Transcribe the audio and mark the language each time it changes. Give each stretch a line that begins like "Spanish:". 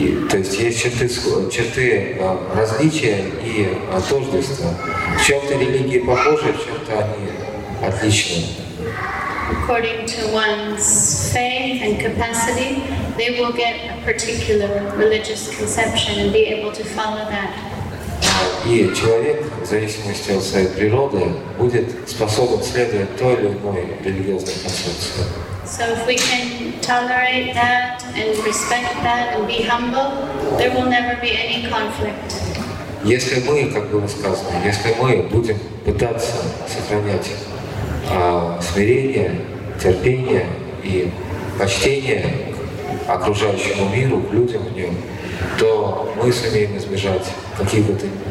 Russian: То есть есть черты различия и тождества. В чем-то религии похожи, в чем-то они отличны.
English: According to one's faith and capacity, they will get a particular religious conception and be able to follow that.
Russian: И человек, в зависимости от своей природы, будет способен следовать той или иной религиозной концепции.
English: So if we can tolerate that and respect that and be humble, there will never be any conflict.
Russian: Если мы, как было сказано, если мы будем пытаться сохранять смирение, терпение и почтение окружающему миру, людям в нем, то мы сумеем избежать конфликтов.